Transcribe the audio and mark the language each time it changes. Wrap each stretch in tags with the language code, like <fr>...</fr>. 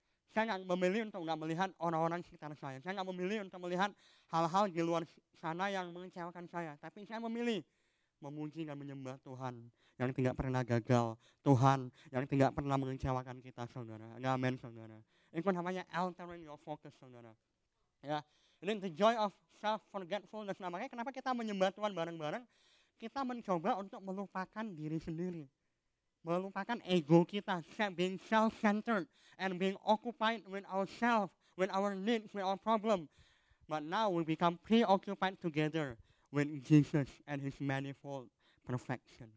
<id>Saya enggak memilih untuk enggak melihat orang-orang sekitar saya. Saya enggak memilih untuk melihat hal-hal di luar sana yang mengecewakan saya, tapi saya memilih memuji dan menyembah Tuhan yang tidak pernah gagal, Tuhan yang tidak pernah mengecewakan kita, saudara. Amin, saudara. Itu namanya</id> <en>altering your focus,</en> <id>saudara. Ya.</id> <en>And then the joy of self-forgetfulness.</en> <id>Namanya kenapa kita menyembah Tuhan bareng-bareng? Kita mencoba untuk melupakan diri sendiri. Melupakan ego kita,</id> <en>being self-centered and being occupied with ourselves, with our needs, with our problem. But now we become preoccupied together with Jesus and His manifold perfection.</en>